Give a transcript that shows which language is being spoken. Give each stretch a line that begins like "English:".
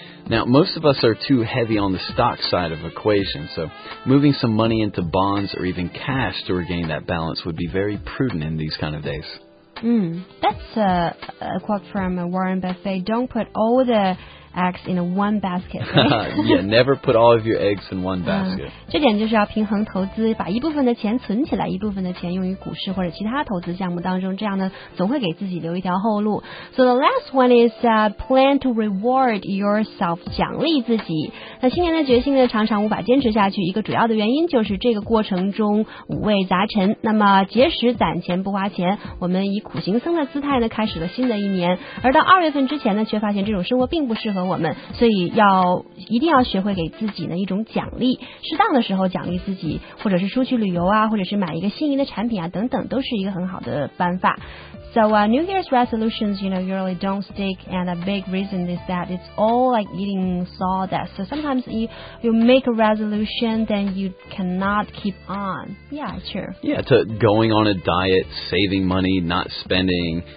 English: Now, most of us are too heavy on the stock side of the equation, so moving some money into bonds or even cash to regain that balance would be very prudent in these kind of days. That's a quote from Warren Buffett. Don't put all the eggs in one basket, right? Yeah, never put all of your eggs in one basket.
Chinese: 这点就是要平衡投资，把一部分的钱存起来，一部分的钱用于股市或者其他投资项目当中，这样呢，总会给自己留一条后路。
English: So the last one is plan to reward yourself,
Chinese: 奖励自己。那新年的决心呢，常常无法坚持下去，一个主要的原因就是这个过程中五味杂陈。那么节食攒钱不花钱，我们以苦行僧的姿态呢，开始了新的一年。而到二月份之前呢，却发现这种生活并不适合和我们，所以要一定要学会给自己呢一种奖励，适当的时候奖励自己，或者是出去旅游啊，或者是买一个心仪的产品啊，等等，都是一个很好的办法。
English: So New Year's resolutions, you know, usually don't stick, and a big reason is that it's all like eating sawdust. So sometimes you make a resolution, then you cannot keep on. Yeah, sure. Yeah, to going on a diet, saving money, not spending.